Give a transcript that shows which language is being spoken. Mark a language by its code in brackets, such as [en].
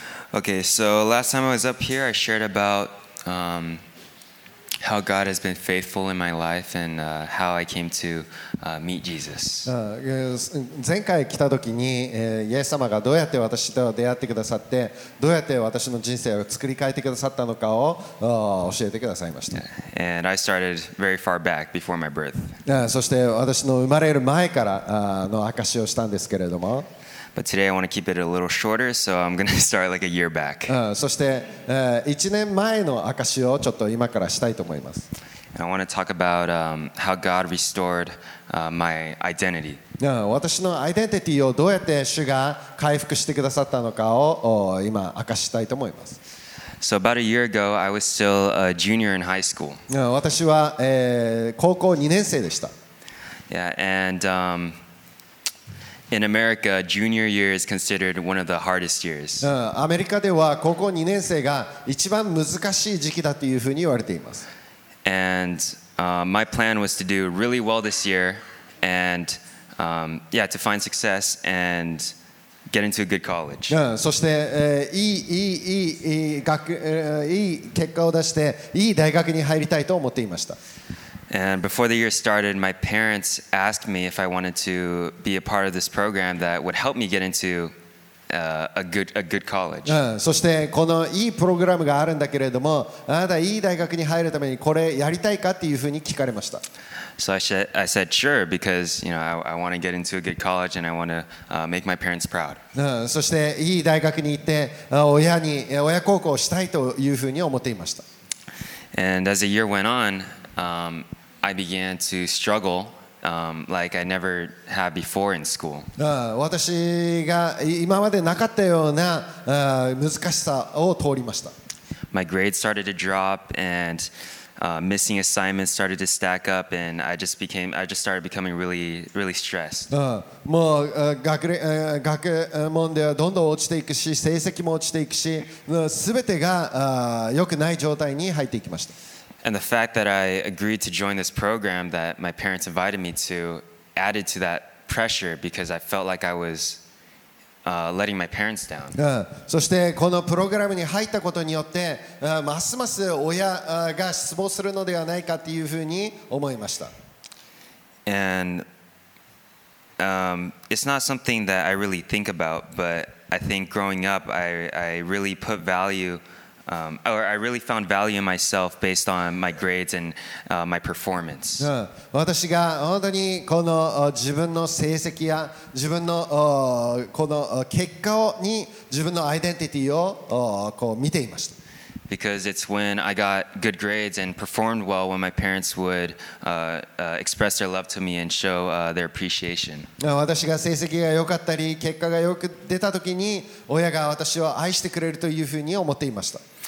[en] Okay, so last time I was up here, I shared about how God has been faithful in my life and how I came to meet Jesus. [ja] 前回来た時に、イエス様がどうやって私と出会ってくださって、どうやって私の人生を作り変えてくださったのかを教えてくださいました。 [en] And I started very far back before my birth. [ja] そして私の生まれる前からの証しをしたんですけれども、 [en] But today I want to keep it a little shorter, so I'm going to start like a year back. [ja] そして、1年前の証をちょっと今からしたいと思います。 [en] And I want to talk about how God restored my identity. [ja] 私のアイデンティティをどうやって主が回復してくださったのかを今証したいと思います。 [en] So about a year ago, I was still a junior in high school. [ja] 私は、高校2年生でした。 [en] Yeah, and... In America, junior year is considered one of the hardest years. [ja] アメリカでは高校2年生が一番難しい時期だというふうに言われています。 [en] And my plan was to do really well this year, and to find success and get into a good college. [ja] そして、いい結果を出していい大学に入りたいと思っていました。 [en] And before the year started, my parents asked me if I wanted to be a part of this program that would help me get into a good college. [ja] そしてこのいいプログラムがあるんだけれども、あなたいい大学に入るためにこれやりたいかっていうふうに聞かれました。 [en] So I said sure because you know I want to get into a good college and I want to make my parents proud. [ja] そしていい大学に行って親孝行したいというふうに思っていました。 [en] And as the year went on. I began to struggle like I never had before in school. [ja] 私が今までなかったような難しさを通りました。 [en] My grades started to drop and missing assignments started to stack up and I just started becoming really, really stressed. [ja] もう学問ではどんどん落ちていくし成績も落ちていくし全てが良くない状態に入っていきました。 [en] And the fact that I agreed to join this program that my parents invited me to added to that pressure because I felt like I was letting my parents down. [ja] そしてこのプログラムに入ったことによって、ますます親が失望するのではないかというふうに思いました。 [en] And it's not something that I really think about, but I think growing up, I really put value. Or I really found value in myself based on my grades and my performance. [ja] 私が本当にこの自分の成績や自分のこの結果に自分のアイデンティティをこう見ていました。 [en] Because it's when I got good grades and performed well when my parents would express their love to me and show their appreciation. [ja] 私が成績が良かったり結果がよく出た時に親が私を愛してくれるというふうに思っていました。